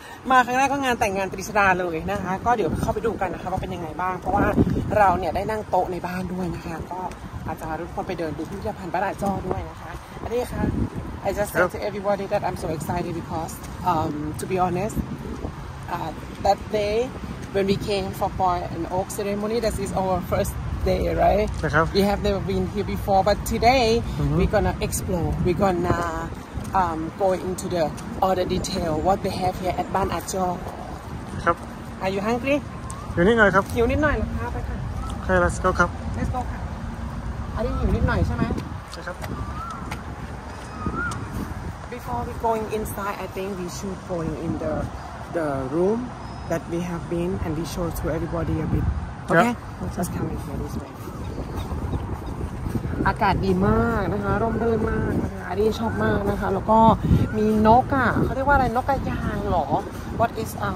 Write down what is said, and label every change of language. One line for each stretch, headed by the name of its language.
Thai: มาครั้งแรกก็งานแต่งงานตรีชดาเลยนะคะก็เดี๋ยวเข้าไปดูกันนะคะว่าเป็นยังไงบ้างเพราะว่าเราเนี่ยได้นั่งโต๊ะในบ้านด้วยนะคะก็อาจจะรุ่นคนไปเดินดูพิพิธภัณฑ์บ้านอาจ้อด้วยนะคะอันนี้ค่ะ
English: I just said to everybody that I'm so excited because, to be honest, that day when we came for Poi and Oak ceremony, this is our first day, right? We have never been here before, but today we're gonna explore. We're gonna go into the other detail what they have here at Ban Acho.
Thai: ครับ
English: Are you hungry?
Thai: หิวนิดหน่อยครับ หิวนิดหน่อยเหรอคะไปค่ ะ
English: Okay, let's go ครับ Let's go
Thai: ค่ะอันนี้หิวนิดหน่อยใช่ไหม ใช่ครับ
English: Before we going inside, I think we should going in the room that we have been and we show to everybody a bit. Okay, yeah. Let's just come in here this way.
Thai: อากาศดีมากนะคะร่มรื่นมากอันนี้ชอบมากนะคะแล้วก็มีนกอ่ะเขาเรียกว่าอะไรนกกระยางหรอ
English: What is